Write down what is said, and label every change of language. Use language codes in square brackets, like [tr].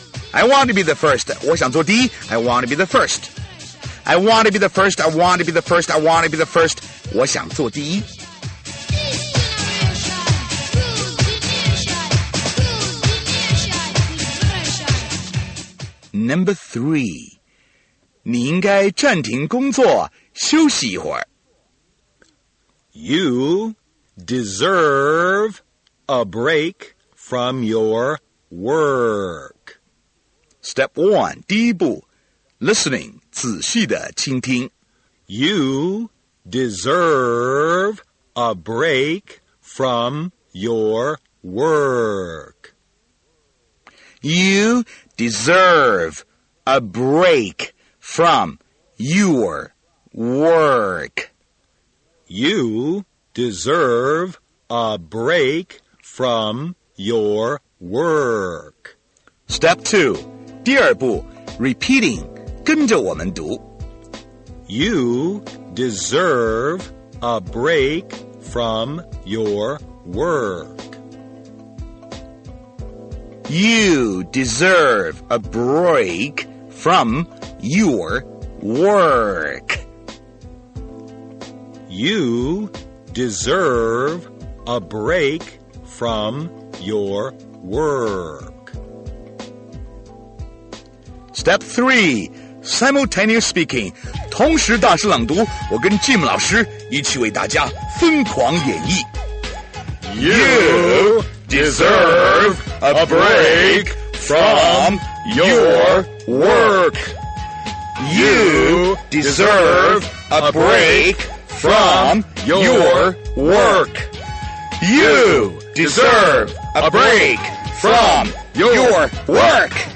[en] I want to be the first. [zh] 我想做第一. [en] I want to be the first. I want to be the first. I want to be the first. I want to be the first. 我想做第一. Number 3. [zh] 你应该暂停工作休息一会儿. [en] You deserve a break from your work. Step 1. [zh] 第一步. [en] Listening. [zh] 仔细的倾听. [en] You deserve a break from your work. You deserve a break from your work. You deserve a break from your work. Step 2. [zh] 第二步, [en] repeating, [zh] 跟着我们读. [en] You deserve a break from your work. You deserve a break from your work. You deserve a break from your work. Step 3. Simultaneous speaking. [zh] 同时大声朗读, 我跟Jim老师一起为大家疯狂演绎. [en] You deserve a break from your work. You deserve a break from your work. You deserve a break from your work.